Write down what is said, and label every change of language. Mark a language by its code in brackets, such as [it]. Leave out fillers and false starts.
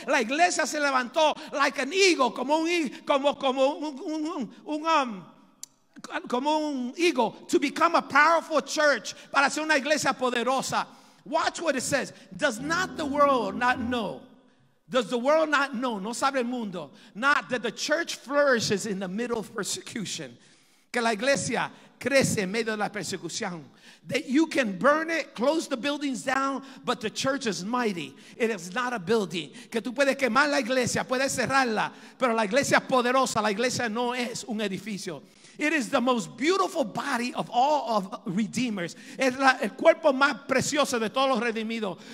[es] La iglesia se levantó [en] like an eagle, [es] como un eagle, [en] to become a powerful church, [es] para ser una iglesia poderosa. [en] Watch what it says. Does not the world not know? Does the world not know? [es] No sabe el mundo. [en] Not that the church flourishes in the middle of persecution. [es] Que la iglesia crece en medio de la persecución. [en] That you can burn it, close the buildings down, but the church is mighty. It is not a building. [es] Que tú puedes quemar la iglesia, puedes cerrarla, pero la iglesia es poderosa. La iglesia no es un edificio. [en] It is the most beautiful body of all of redeemers. [es] Es la, el cuerpo más precioso de todos los redimidos.